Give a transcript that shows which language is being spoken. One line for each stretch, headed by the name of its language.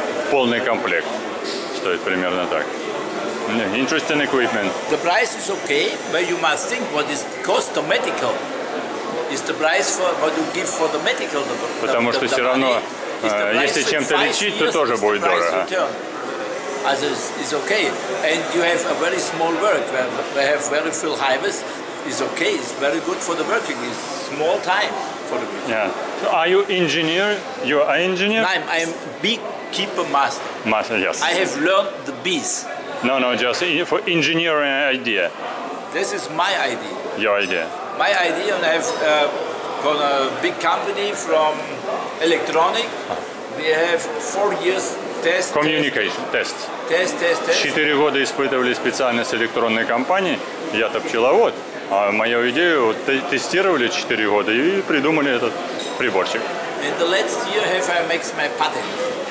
Russian: Полный комплект стоит примерно так.
English: Interesting equipment. The price is okay, but you must think what is cost the medical. Is the price for what you give for the medical the price.
Russian: Потому что все равно, если чем-то лечить, то тоже будет дорого.
English: As is okay, and you have a very small work. We have very few harvest. It's okay. It's very good for the working. It's small time for the working. Yeah. So are you engineer? You are engineer. No, I'm big keeper master. Master, yes. I have learned the bees. No. Just for engineering idea. This is my idea. Your idea. My idea, and I have got a big company from electronic. We have 4 years. Test, communication test. Test.
Russian: 4 года испытывали специально с электронной компанией. Я-то пчеловод. А мою идею тестировали 4 года и придумали этот приборчик.
English: In the last year have I makes my patent.